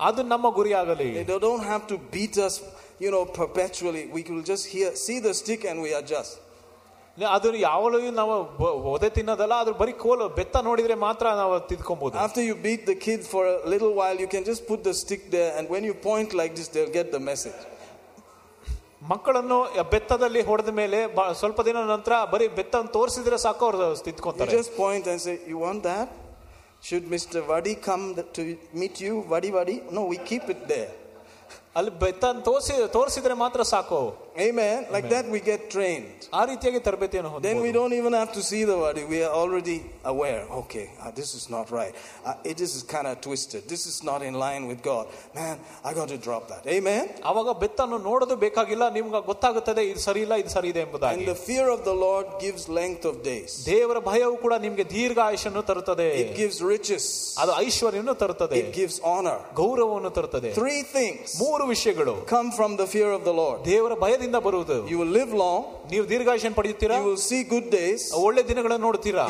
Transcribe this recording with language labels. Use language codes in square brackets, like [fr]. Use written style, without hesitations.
[en] They don't have to beat us, you know, perpetually. We will just hear, see the stick and we adjust. After you beat the kid for a little while, you can just put the stick there, and when you point like this, they'll get the message. [kn] ಮಕ್ಕಳನ್ನು ಬೆತ್ತದಲ್ಲಿ ಹೊಡೆದ ಮೇಲೆ ಸ್ವಲ್ಪ ದಿನ ನಂತರ ಬರೀ ಬೆತ್ತ ತೋರಿಸಿದ್ರೆ ಸಾಕು ಅವ್ರು ತಿದ್ಕೊಂತಾರೆ. [en] Just point and say, you want that? Should Mr. Vadi come to meet you? Vadi Vadi? No, we keep it there. [kn] ಅಲ್ಲಿ ತೋರಿಸಿದ್ರೆ ಮಾತ್ರ ಸಾಕು. [en] Amen. Like that we get trained. [kn] ಆ ರೀತಿಯಾಗಿ ತರಬೇತಿಯನ್ನು ಹೊಂದಬಹುದು. [en] Then we don't even have to see the body. We are already aware. Okay, this is not right. It is kind of twisted. This is not in line with God. Man, I got to drop that. Amen. [kn] ಅವಾಗ ಬೆತ್ತನ್ನು ನೋಡೋದು ಬೇಕಾಗಿಲ್ಲ. ನಿಮಗೆ ಗೊತ್ತಾಗುತ್ತದೆ ಇದು ಸರಿ ಇಲ್ಲ ಇದು ಸರಿ ಇದೆ ಎಂಬುದಾಗಿ. [en] And the fear of the Lord gives length of days. [kn] ದೇವರ ಭಯವು ಕೂಡ ನಿಮಗೆ ದೀರ್ಘಾಯಷ್ಯವನ್ನು ತರುತ್ತದೆ. [en] It gives riches. [kn] ಅದು ಐಶ್ವರ್ಯವನ್ನು ತರುತ್ತದೆ. [en] It gives honor. [kn] ಗೌರವವನ್ನು ತರುತ್ತದೆ. [en] Three things. [kn] ಮೂರು ವಿಷಯಗಳು. [en] Come from the fear of the Lord. [kn] ದೇವರ ಭಯದಿಂದ ಬರುವುದು. [en] You will live long. [kn] ನೀವು ದೀರ್ಘಾಯಷ್ಯವನ್ನು ಪಡೆಯುತ್ತೀರಾ. [en] You will see good days. [kn] ಒಳ್ಳೆ ದಿನಗಳನ್ನು ನೋಡುತ್ತೀರಾ.